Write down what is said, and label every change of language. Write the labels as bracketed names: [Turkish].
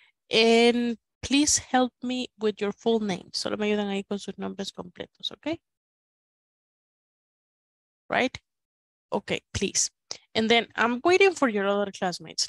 [English] And please help me with your full name. [Spanish] Solo me ayudan ahí con sus nombres completos, okay? [English] Right? Okay, please. And then I'm waiting for your other classmates.